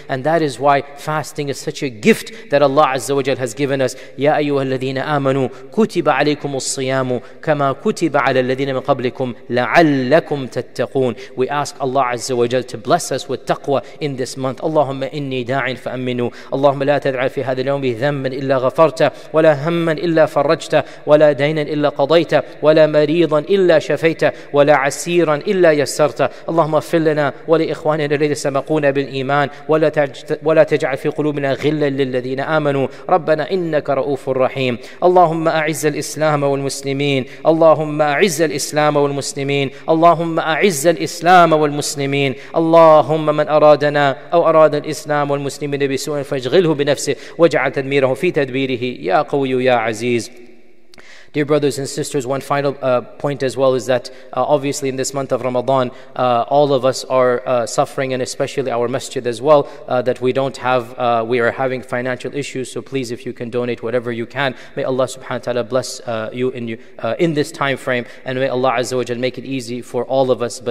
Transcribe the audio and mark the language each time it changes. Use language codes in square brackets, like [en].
[en] And that is why fasting is such a gift that Allah Azza wa Jal has given us. [ar] يَا أَيُّهَا الَّذِينَ آمَنُوا كُتِبَ عَلَيْكُمُ الصِّيَامُ كَمَا كُتِبَ عَلَى الَّذِينَ مِنْ قَبْلِكُمْ لَعَلَّكُمْ تَتَّقُونَ. We ask Allah Azza wa Jal to bless us with taqwa in this month. اللهم إني داعٍ فأمنوا. اللهم لا تدع في هذا اليوم ذنبًا إلا غفرت ولا همًا إلا فرجت ولا دينًا إلا قضيت ولا مريضًا إلا شفيت ولا عسيرا إلا يسرت. اللهم اغفر لنا ولإخواننا الذين سبقونا بالإيمان ولا تجعل في قلوبنا غلا للذين آمنوا ربنا إنك رؤوف رحيم. اللهم أعز الإسلام والمسلمين. اللهم أعز الإسلام والمسلمين. اللهم أعز الإسلام والمسلمين. اللهم من أرادنا أو أراد الإسلام والمسلمين بسوء فاشغله بنفسه واجعل تدميره في تدبيره يا قوي يا عزيز. [en] Dear brothers and sisters, one final point as well is that obviously in this month of Ramadan, all of us are suffering, and especially our masjid as well, that we don't have, we are having financial issues. So please, if you can donate whatever you can, may Allah subhanahu wa ta'ala bless you in this time frame, and may Allah azza wa jal make it easy for all of us.